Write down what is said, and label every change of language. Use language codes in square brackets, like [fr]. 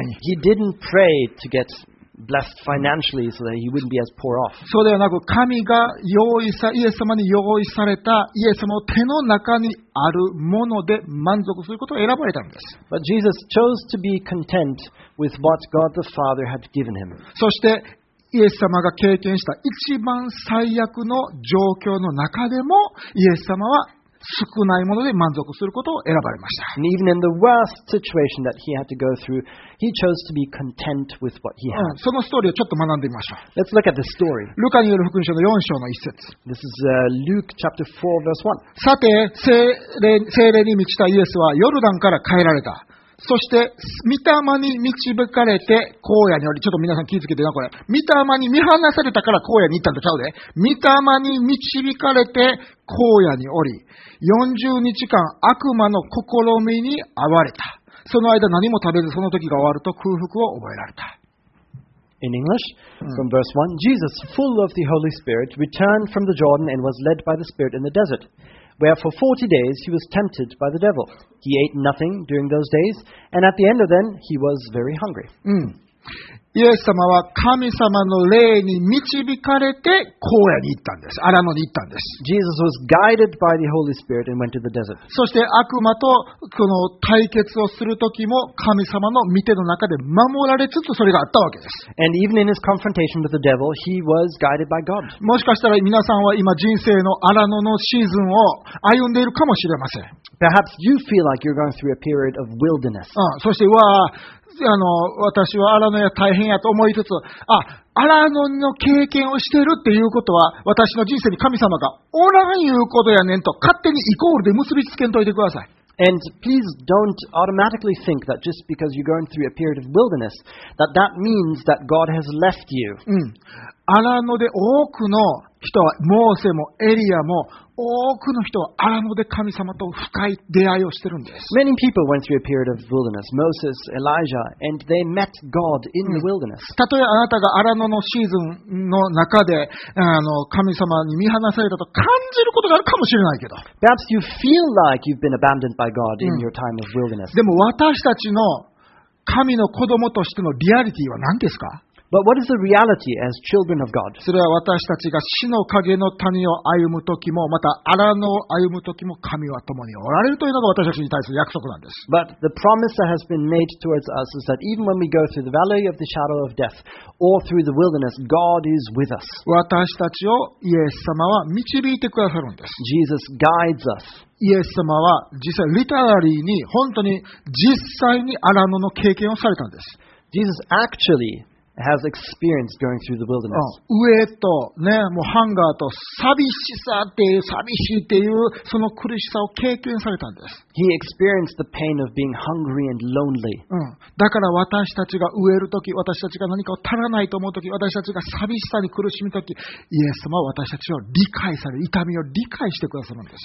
[en] He didn't pray to get blessed financially so that he wouldn't be as poor off. [ja] そうではなく、神が用意さ、イエス様に用意されたイエス様の手の中にあるもので満足することを選ばれたんです。 [en] But Jesus chose to be content with what God the Father had given him. [ja] そしてイエス様が経験した一番最悪の状況の中でもイエス様は少ないもので満足することを選ばれました。 [en] And even in the worst situation that he had to go through, he chose to be content with what he had. [ja] そのストーリーをちょっと学んでみましょう。 [en] Let's look at the story. [ja] ルカによる福音書の4章の1節。 [en] This is Luke chapter 4 verse 1. [ja] さて、聖霊に満ちたイエスはヨルダンから帰られた。そして御霊に導かれて荒野におり、ちょっと皆さん気をつけてな、これ御霊に見放されたから荒野に行ったんだちゃうで、御霊に導かれて荒野におり40日間悪魔の試みに遭われた。その間何も食べず、その時が終わると空腹を覚えられた。 [en] In English from verse 1, Jesus full of the Holy Spirit returned from the Jordan and was led by the Spirit in the desertWhere for 40 days he was tempted by the devil. He ate nothing during those days, and at the end of them he was very hungry. [ja] イエス様は神様の霊に導かれて荒野に行ったんです。アラノに行ったんです。 [en] Jesus was guided by the Holy Spirit and went to the desert. [ja] そして悪魔とこの対決をする時も神様の御手の中で守られつつそれがあったわけです。 [en] And even in his confrontation with the devil, he was guided by God. [ja] もしかしたら皆さんは今人生のアラノのシーズンを歩んでいるかもしれません。 [en] Perhaps you feel like you're going through a period of wilderness. [ja] そしてわあ。私はアラノや大変やと思いつつ、あ、アラノの経験をしているっていうことは、私の人生に神様がおらんいうことやねんと、勝手にイコールで結びつけんといてください。 [en] And please don't automatically think that just because you're going through a period of wilderness, that that means that God has left you. [ja] アラノで多くの人は、モーセもエリアも、多くの人はアラノで神様と深い出会いをしているんです。 [en] Many people went through a period of wilderness. Moses, Elijah, and they met God in the wilderness. [ja] たとえあなたがアラノのシーズンの中で神様に見放されたと感じることがあるかもしれないけど。 [en] Perhaps you feel like you've been abandoned by God in your time of wilderness. [ja] でも私たちの神の子供としてのリアリティは何ですか？ [en] But what is the reality as children of God? [ja] それは私たちが死の影の谷を歩むときも、また荒野を歩むときも神は共におられるというのが私たちに対する約束なんです。 [en] But the promise that has been made towards us is that even when we go through the valley of the shadow of death or through the wilderness, God is with us. [ja] 私たちをイエス様は導いてくださるんです。 [en] Jesus guides us. [ja] イエス様は実際リタラリーに本当に実際に荒野の経験をされたんです。 [en] Jesus actually has experienced going through the wilderness. [ja] 飢えとね、もうハンガーと寂しいっていうその苦しさを経験されたんです。 [en] He experienced the pain of being hungry and lonely. [ja] だから私たちが飢えるとき、私たちが何かを足らないと思うとき、私たちが寂しさに苦しむとき、イエス様は私たちを理解される、痛みを理解してくださるんです。